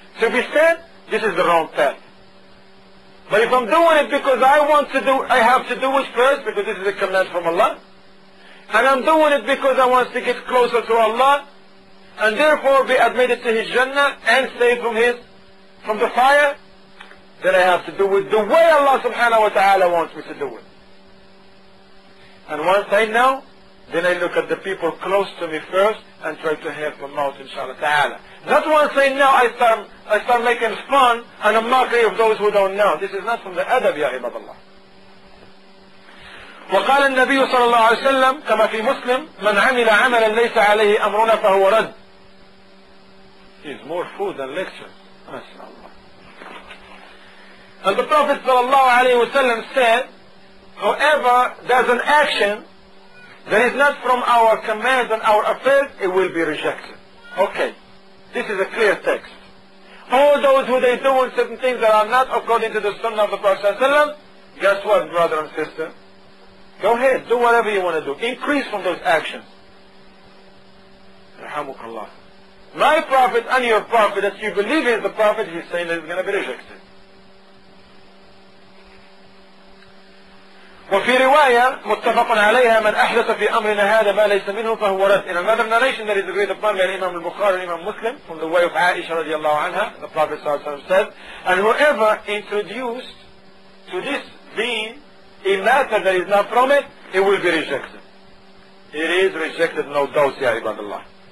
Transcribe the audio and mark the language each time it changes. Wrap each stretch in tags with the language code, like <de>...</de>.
<en>To be said, this is the wrong path. But if I'm doing it because I want to do, I have to do it first because this is a command from Allah, and I'm doing it because I want to get closer to Allah, and therefore be admitted to His Jannah and saved from the fire, then I have to do it the way Allah subhanahu wa ta'ala wants me to do it. And once I know, then I look at the people close to me first and try to help them out, inshallah ta'ala. Not once I know, I start making fun and a mockery of those who don't know. This is not from the adab, ya ibadallah.</en> <ar>وقال النبي صلى الله عليه وسلم كما في مسلم من عمل عملا ليس عليه أمرنا فهو رد.</ar> <en>He's more food than lectures. MashaAllah. And the Prophet صلى الله عليه وسلم said, whoever does an action that is not from our command and our affairs, it will be rejected. Okay. This is a clear text. All those who they do certain things that are not according to the Sunnah of the Prophet ﷺ, guess what, brother and sister? Go ahead, do whatever you want to do. Increase from those actions. Rahamukallah. My prophet and your prophet that you believe is the prophet, he's saying that he's going to be rejected.</en> <ar>وفي رواية متفق عليها من أحدث في أمرنا هذا ما ليس منه فهو رد.</ar> <en>In another narration that is agreed upon by Imam al-Bukhari and Imam Muslim from the way of Aisha radiallahu anha, the Prophet sallallahu alayhi wa sallam said, and whoever introduced to this deen a matter that is not from it, it will be rejected. It is rejected, no doubt, ya ibadallah.</en>